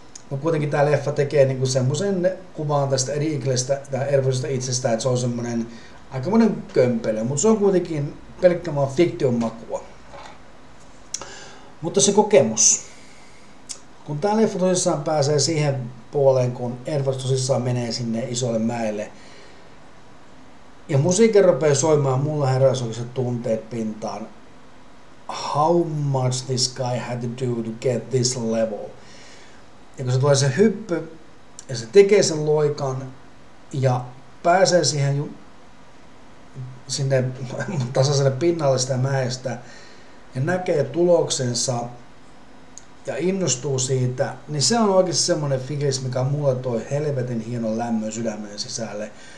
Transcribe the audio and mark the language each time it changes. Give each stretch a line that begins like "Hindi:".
Finnish: Mutta kuitenkin tämä leffa tekee niin kuin semmoisen kuvaan tästä Eaglesta, tämä Edwardsista itsestään, että se on semmoinen aikamoinen kömpelö, mutta se on kuitenkin pelkkä vaan fiktion makua. Mutta se kokemus. Kun tämä leffa tosissaan pääsee siihen puoleen, kun Edwards tosissaan menee sinne isolle mäelle ja musiikki rupeaa soimaan, mulla heräsi tunteet pintaan.
English: How much this guy had to do to get this level?
Finnish: Ja kun se tulee se hyppy ja se tekee sen loikan ja pääsee siihen sinne tasaiselle pinnalle sitä mäestä ja näkee tuloksensa ja innostuu siitä, niin se on oikeasti semmoinen fiilis, mikä mulle toi helvetin hienon lämmön sydämen sisälle.